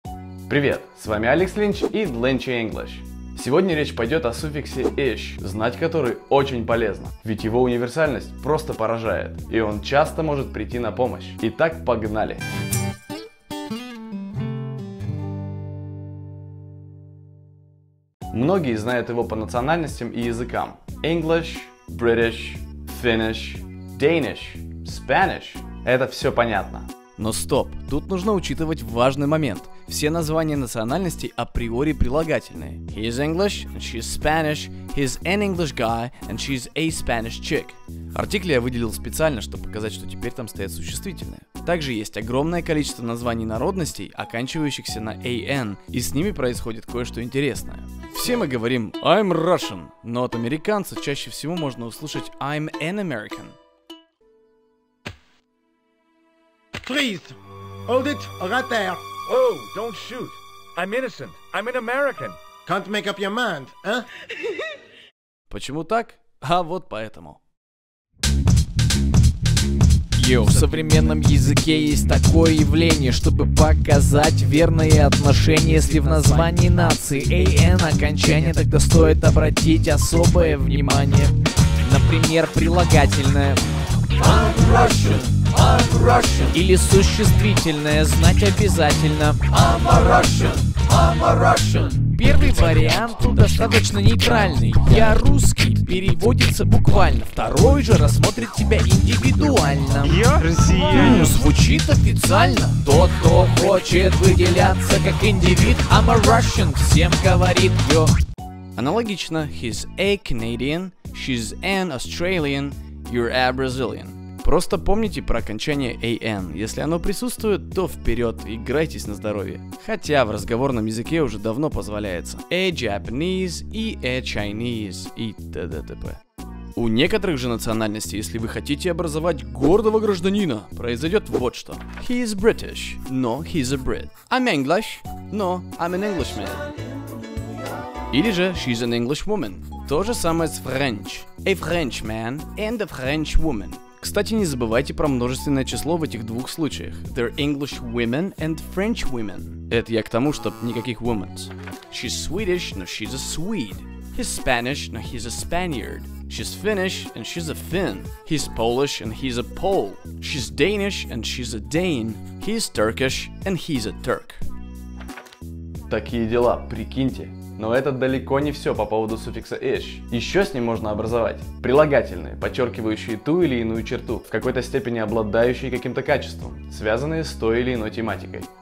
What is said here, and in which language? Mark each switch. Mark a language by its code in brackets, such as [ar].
[ru] Привет, с вами Алекс Линч и Ленчи English. Сегодня речь пойдет о суффиксе -ish, знать который очень полезно, ведь его универсальность просто поражает, и он часто может прийти на помощь. Итак, погнали! Многие знают его по национальностям и языкам. [en] English, British, Finnish, Danish, Spanish. [ru] Это все понятно. Но стоп, тут нужно учитывать важный момент. Все названия национальностей априори прилагательные. [en] He's English, and she's Spanish, he's an English guy, and she's a Spanish chick. [ru] Артикль я выделил специально, чтобы показать, что теперь там стоят существительные. Также есть огромное количество названий народностей, оканчивающихся на an, и с ними происходит кое-что интересное. Все мы говорим [en] I'm Russian, [ru] но от американца чаще всего можно услышать [en] I'm an American. Please, hold it right there. Oh, don't shoot. I'm innocent. I'm an American. Can't make up your mind, huh? [ru] Почему так? А вот поэтому. В современном языке есть такое явление, чтобы показать верные отношения. Если в названии нации AN окончание, тогда стоит обратить особое внимание. Например, прилагательное. [en] I'm Russian. [ru] Или существительное знать обязательно. [en] I'm a Russian. [ru] Первый вариант достаточно нейтральный. Я русский, переводится буквально. Второй же рассмотрит тебя индивидуально. Я россиянин. Звучит официально. Тот, кто хочет выделяться как индивид. [en] I'm a Russian, [ru] всем говорит йо. Аналогично. [en] He's a Canadian, she's an Australian, you're a Brazilian. [ru] Просто помните про окончание AN. Если оно присутствует, то вперед, играйтесь на здоровье. Хотя в разговорном языке уже давно позволяется. [en] A Japanese [ru] и [en] A Chinese [ru] и т.д. т.п. У некоторых же национальностей, если вы хотите образовать гордого гражданина, произойдет вот что. [en] He is British, no, he's a Brit. I'm English, no, I'm an Englishman. [ru] Или же [en] she's an Englishwoman. [ru] То же самое с French. [en] A Frenchman and a Frenchwoman. [ru] Кстати, не забывайте про множественное число в этих двух случаях. [en] They're English women and French women. [ru] Это я к тому, чтоб никаких women. [en] She's Swedish, no, she's a Swede. He's Spanish, no, he's a Spaniard. She's Finnish, and she's a Finn. He's Polish, and he's a Pole. She's Danish, and she's a Dane. He's Turkish, and he's a Turk. [ru] Такие дела, прикиньте. Но это далеко не все по поводу суффикса -ish. Еще с ним можно образовать. Прилагательные, подчеркивающие ту или иную черту, в какой-то степени обладающие каким-то качеством, связанные с той или иной тематикой.